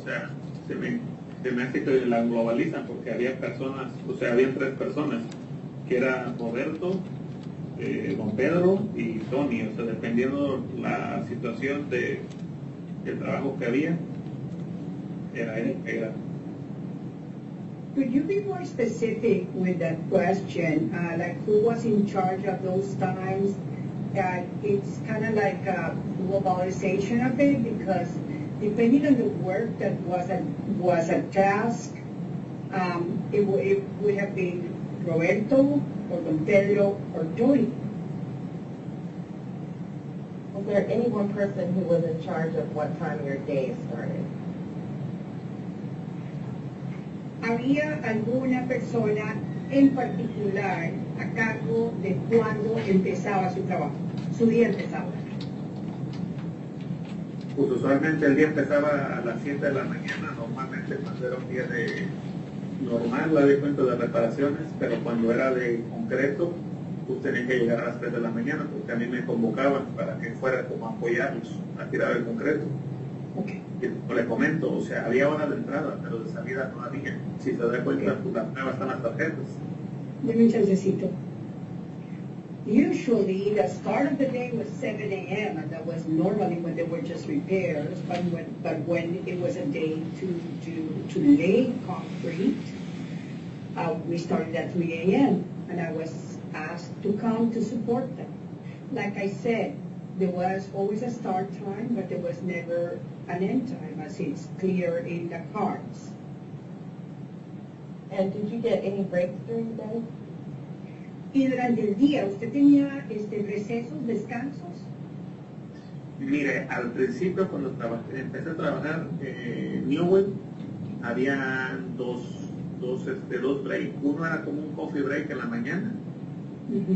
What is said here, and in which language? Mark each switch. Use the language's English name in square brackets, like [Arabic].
[Spanish] O sea, se me hace que la globalizan, porque había personas, o sea, había tres personas, que era Roberto, Don Pedro y Tony. O sea, dependiendo la situación del trabajo que había, era él. Era. [English] Could you be more specific with that question? Like, who was in charge of those times? It's kind of like a globalization of it, because depending on the work that was a task, it would have been Roberto or Don Pedro or Tony. Was there any one person who was in charge of what time your day started? [Spanish] Había alguna persona en particular a cargo de cuando empezaba su trabajo. Su día empezaba. Pues usualmente el día empezaba a las 7 de la mañana, normalmente cuando era un día de normal, la de cuenta de reparaciones, pero cuando era de concreto, pues tenía que llegar a las 3 de la mañana, porque a mí me convocaban para que fuera como apoyarlos a tirar el concreto. [English] Okay. [Spanish] Y como le comento, o sea, había hora de entrada, pero de salida no había. Si se da cuenta, okay. Pues las pruebas están las tarjetas. De mi chancecito. [English] Usually, the start of the day was 7 a.m., and that was normally when there were just repairs, but when it was a day to lay concrete, we started at 3 a.m., and I was asked to come to support them. Like I said, there was always a start time, but there was never an end time, as it's clear in the cards. And did you get any breaks during the day? [Spanish] ¿Y durante el día usted tenía recesos, descansos? Mire, al principio cuando empecé a trabajar en Newell, había dos breaks. Uno era como un coffee break en la mañana, uh-huh.